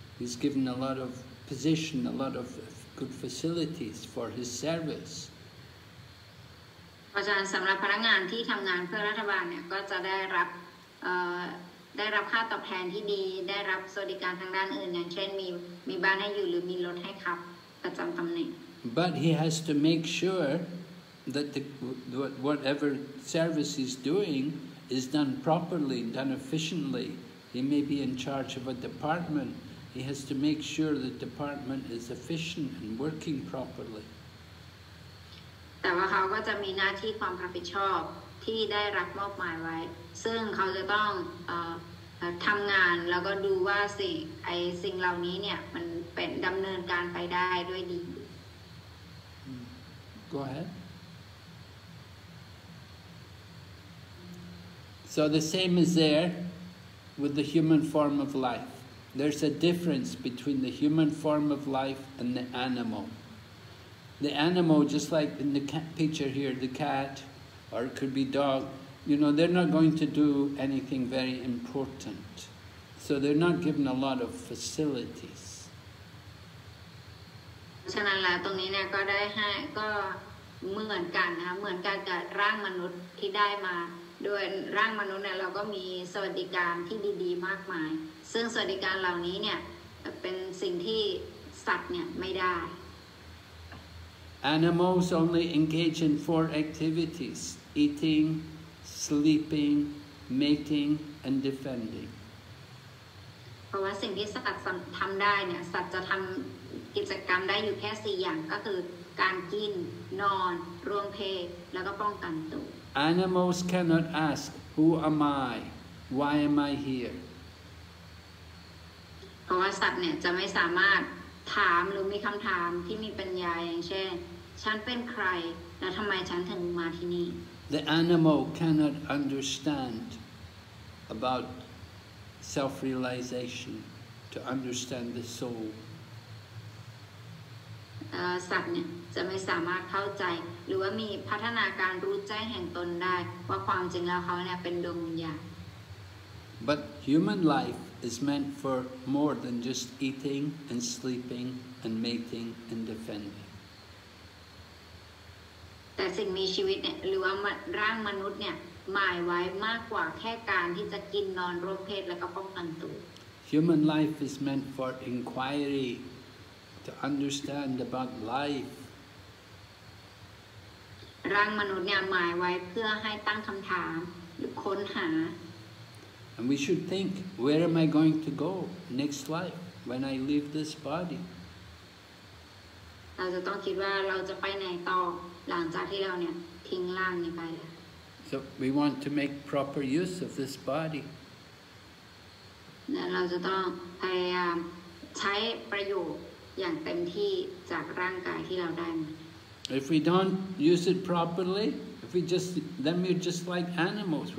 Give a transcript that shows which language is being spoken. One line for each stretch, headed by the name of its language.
English: He's given a lot of position, a lot of good facilities for his service.
Thai: เพราะฉะนั้นสำหรับพนักงานที่ทำงานเพื่อรัฐบาลเนี่ยก็จะได้รับค่าตอบแทนที่ดีได้รับสวัสดิการทางด้านอื่นอย่างเช่นมีบ้านให้อยู่หรือมีรถให้ขับประจำตำแหน่ง
English: But he has to make sure that the whatever service he's doing is done properly, done efficiently. He may be in charge of a department. He has to make sure the department is efficient and working properly.
Thai: แต่ว่าเขาก็จะมีหน้าที่ความรับผิดชอบที่ได้รับมอบหมายไว้ซึ่งเขาจะต้องทำงานแล้วก็ดูว่าสิ่งเหล่านี้เนี่ยมันเป็นดำเนินการไปได้ด้วยดี
English: Go ahead. So the same is there with the human form of life. There's a difference between the human form of life and the animal. The animal, just like in the picture here, the cat, or it could be dog, you know, they're not going to do anything very important. So they're not given a lot of facilities.
Thai: ฉะนั้นแล้วตรงนี้เนี่ยก็เหมือนกันกับร่างมนุษย์ที่ได้มาโดยร่างมนุษย์เนี่ยเราก็มีสวัสดิการที่ดีๆมากมายซึ่งสวัสดิการเหล่านี้เนี่ยเป็นสิ่งที่สัตว์เนี่ยไม่ได้
English: Animals only engage in four activities eating sleeping mating and defending
Thai: เพราะว่าสิ่งที่สัตว์ทำได้เนี่ยสัตว์จะทำกิจกรรมได้อยู่แค่4อย่างก็คือการกินนอนร่วมเพศแล้วก็ป้องกันตัว
English: Animals cannot ask, who am I? Why am I here?
Thai: เพราะว่าสัตว์เนี่ยจะไม่สามารถถามหรือมีคำถามที่มีปัญญาอย่างเช่นฉันเป็นใครและทำไมฉันถึงมาที่นี่
English: The animal cannot understand about self-realization to understand the soul.
Thai: สัตว์เนี่ยจะไม่สามารถเข้าใจหรือว่ามีพัฒนาการรู้แจ้งแห่งตนได้ว่าความจริงแล้วเขาเนี่ยเป็นดวงวิญญาณ
English: But human life is meant for more than just eating and sleeping and mating and defending.
Thai: แต่สิ่งมีชีวิตเนี่ยหรือว่าร่างมนุษย์เนี่ยหมายไว้มากกว่าแค่การที่จะกินนอนร่วมเพศแล้วก็ป้องกันตัว
English: Human life is meant for inquiry to understand about life.
Thai: ร่างมนุษย์เนี่ยหมายไว้เพื่อให้ตั้งคำถามหรือค้นหา
English: And we should think, where am I going to go next life when I leave this body?
Thai: เราจะต้องคิดว่าเราจะไปไหนต่อหลังจากที่เราเนี่ยทิ้งร่างนี้ไป
English: So we want to make proper use of this body.
Thai: เราจะต้องพยายามใช้ประโยชน์อย่างเต็มที่จากร่างกายที่เราได้
English: If we don't use it properly, then we're just like animals.